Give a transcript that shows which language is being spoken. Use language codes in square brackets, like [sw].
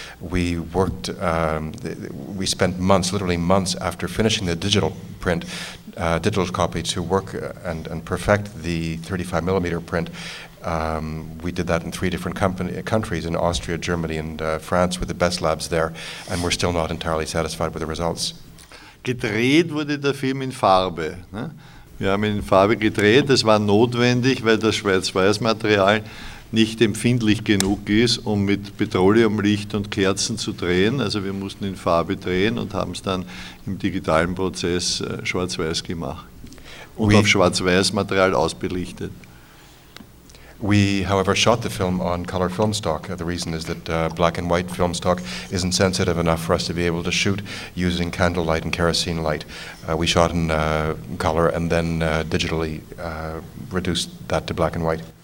[en] We worked, we spent months, literally months, after finishing the digital print, digital copy, to work and perfect the 35 millimeter print. We did that in three different countries, in Austria, Germany, and France, with the best labs there, and we're still not entirely satisfied with the results. [de] Gedreht wurde der Film in Farbe. Ne? Wir haben ihn in Farbe gedreht. Das war notwendig, weil das Schwarz-Weiß-Material nicht empfindlich genug ist, um mit Petroleumlicht und Kerzen zu drehen. Also wir mussten in Farbe drehen und haben es dann im digitalen Prozess schwarz-weiß gemacht und auf Schwarz-Weiß-Material ausbelichtet. [en] We, however, shot the film on color film stock. The reason is that black and white film stock isn't sensitive enough for us to be able to shoot using candlelight and kerosene light. We shot in color and then digitally reduced that to black and white.